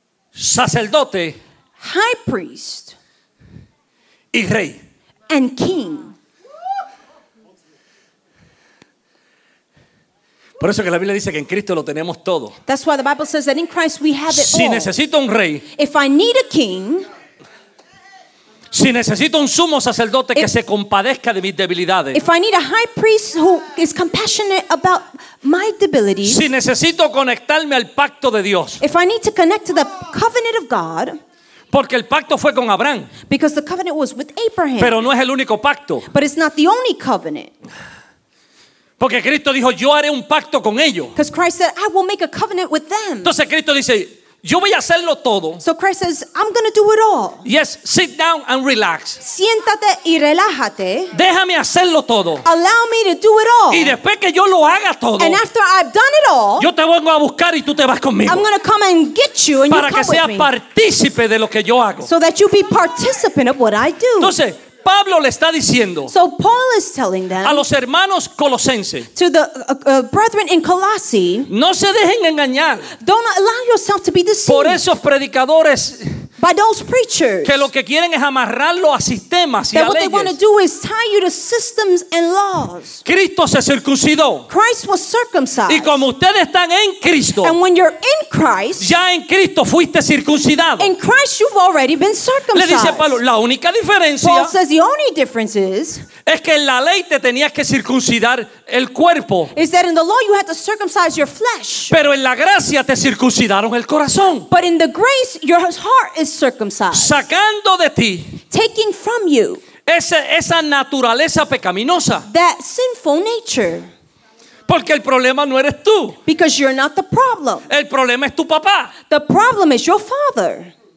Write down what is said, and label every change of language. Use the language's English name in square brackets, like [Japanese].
[Spanish] Sacerdote. [English] High priest. [Spanish] Y rey. [English] And king. [Spanish] Por eso que la Biblia dice que en Cristo lo tenemos todo. [English] That's why the Bible says that in Christ we have it all. [Spanish] Si necesito un rey. [English] If I need a king. [Spanish] Si necesito un sumo sacerdote que se compadezca de mis debilidades. [English] If I need a high priest who is compassionate about my debilities. [Spanish] Si necesito conectarme al pacto de Dios. [English] If I need to connect to the covenant of God. [Spanish] Porque el pacto fue con Abraham. [English] Because the covenant was with Abraham. [Spanish] Pero no es el único pacto. [English] But it's not the only covenant. [Spanish] Porque Cristo dijo, yo haré un pacto con ellos. [English] Because Christ said, I will make a covenant with them. [Spanish] Entonces Cristo dice, yo voy a hacerlo todo. [English] So Christ says, I'm going to do it all. Yes, sit down and relax. [Spanish] Siéntate y relájate. Déjame hacerlo todo. [English] Allow me to do it all. [Spanish] Y después que yo lo haga todo. [English] And after I've done it all. [Spanish] Yo te vengo a buscar y tú te vas conmigo. [English] I'm going to come and get you and [Spanish] para [English] you come [Spanish] que [English] with me. [Spanish] Partícipe de lo que yo hago. [English] So that you be participant of what I do. [Spanish] Entonces, Pablo le está diciendo [English] so Paul is telling them, [Spanish] a los hermanos colosenses [English] to the brethren in Colossae, [Spanish] no se dejen engañar [English] don't allow yourself to be deceived [Spanish] por esos predicadores [English] by those preachers [Spanish] que lo que quieren es amarrarlo a sistemas y a [English] what [Spanish] leyes. [English] They want to do is tie you to systems and laws. [Spanish] Cristo se circuncidó. [English] Christ was circumcised. [Spanish] Y como ustedes están en Cristo, [English] and when you're in Christ, [Spanish] ya en Cristo fuiste circuncidado. [English] In Christ you've already been circumcised. [Spanish] Le dice Pablo, la única diferencia [English] Paul says the only difference is [Spanish] es que en la ley te tenías que circuncidar el cuerpo. [English] Is that in the law you had to circumcise your flesh. [Spanish] Pero en la gracia te circuncidaron el corazón. [English] But in the grace your heart is circumcised. [Spanish] Sacando de ti [English] taking from you [Spanish] esa naturaleza pecaminosa. [English] That sinful nature. [Spanish] Porque el problema no eres tú. [English] Because you're not the problem. [Spanish] El problema es tu papá. [English] The problem is your father.